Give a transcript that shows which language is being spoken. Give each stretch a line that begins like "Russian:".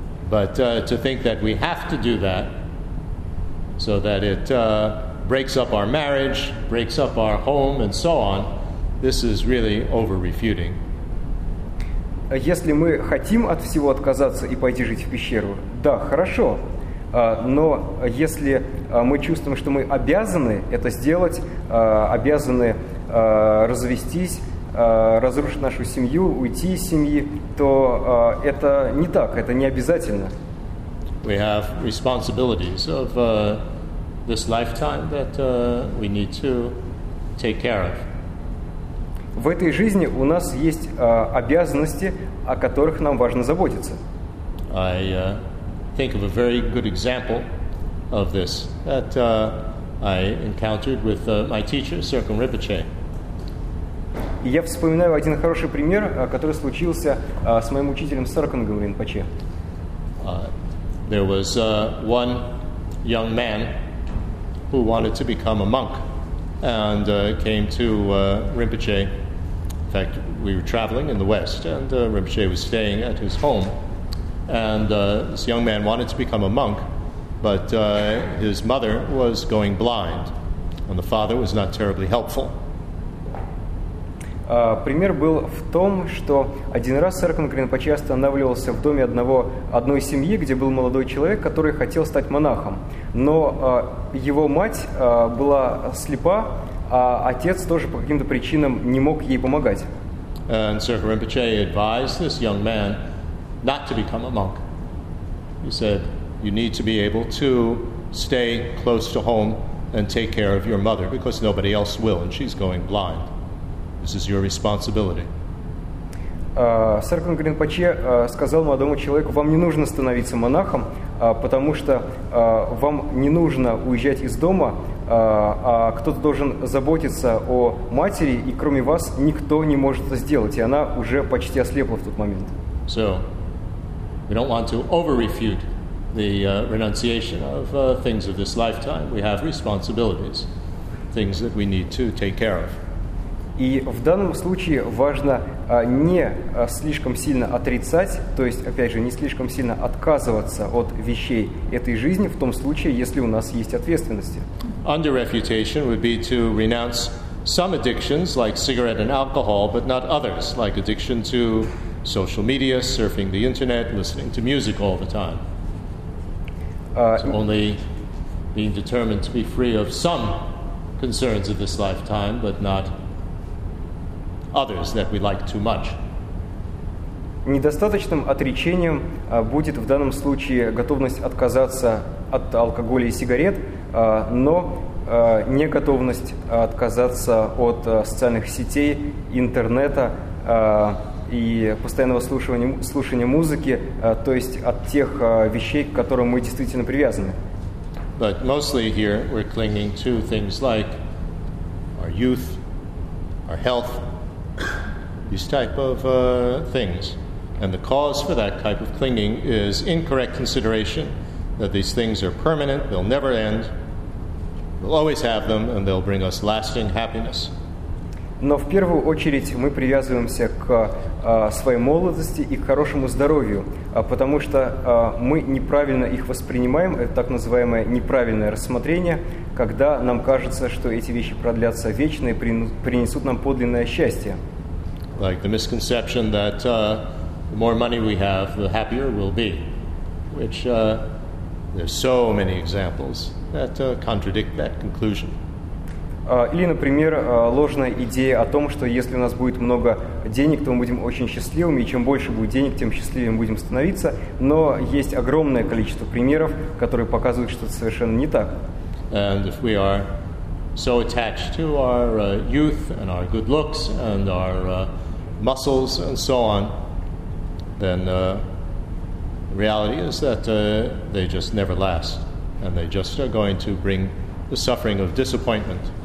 English: But to think that we have to do that so that it breaks up our marriage, breaks up our home, and so on, this is really over-refuting.
Russian: Если мы хотим от всего отказаться и пойти жить в пещеру, да, хорошо. Но если мы чувствуем, что мы обязаны это сделать, обязаны развестись, разрушить нашу семью, уйти из семьи, то это не так, это не обязательно.
English: We have responsibilities of this lifetime that we need to take care of.
Russian: В этой жизни у нас есть обязанности, о которых нам важно заботиться.
English: I think of a very good example of this that I encountered with my teacher, Serkan Rinpoche.
Russian: Я вспоминаю один хороший пример, который случился с моим учителем Серканом Ринпоче.
English: There was one young man who wanted to become a monk and came to Rinpoche. In fact, we were traveling in the West, and Rinpoche was staying at his home. And this young man wanted to become a monk, but his mother was going blind, and the father was not terribly helpful.
Russian: Пример был в том, что один раз Серкан Гринпоче останавливался в доме одной семьи, где был молодой человек, который хотел стать монахом. Но его мать была слепа, а отец тоже по каким-то причинам не мог ей помогать.
English: Серкан Гринпоче advised this young man not to become a monk. He said, you need to be able to stay close to home and take care of your mother, because nobody else will, and she's going blind. This is your responsibility.
Russian: Серкан Гринпоче сказал молодому человеку, вам не нужно становиться монахом, потому что вам не нужно уезжать из дома, а кто-то должен заботиться о матери, и кроме вас никто не может это сделать, и она уже почти ослепла в тот момент.
English: So, we don't want to over-refute the renunciation of things of this lifetime. We have responsibilities, things that we need to take care of.
Russian: И в данном случае важно не слишком сильно отрицать, то есть, опять же, не слишком сильно отказываться от вещей этой жизни в том случае, если у нас есть ответственности.
English: Under refutation would be to renounce some addictions, like cigarette and alcohol, but not others, like addiction to social media, surfing the internet, listening to music all the time. So only being determined to be free of some concerns of this lifetime, but not others that we like too much.
Russian: Недостаточным отречением будет в данном случае готовность отказаться от алкоголя и сигарет, но не готовность отказаться от социальных сетей, интернета и постоянного слушания музыки, то есть от тех вещей, к которым мы действительно привязаны.
English: But mostly here we're clinging to things like our youth, our health, these type of things. And the cause for that type of clinging is incorrect consideration that these things are permanent, they'll never end, we'll always have them, and they'll bring us lasting happiness.
Russian: Но в первую очередь мы привязываемся к своей молодости и к хорошему здоровью, потому что мы неправильно их воспринимаем, это так называемое неправильное рассмотрение, когда нам кажется, что эти вещи продлятся вечно и принесут нам подлинное счастье.
English: Like the misconception that the more money we have, the happier we'll be, which there's so many examples that contradict that conclusion.
Russian: Или, например, ложная идея о том, что если у нас будет много денег, то мы будем очень счастливыми, и чем больше будет денег, тем счастливее мы будем становиться. Но есть огромное количество примеров, которые показывают, что это совершенно не так.
English: And if we are so attached to our youth and our good looks and our muscles and so on, then reality is that they just never last. And they just are going to bring the suffering of disappointment.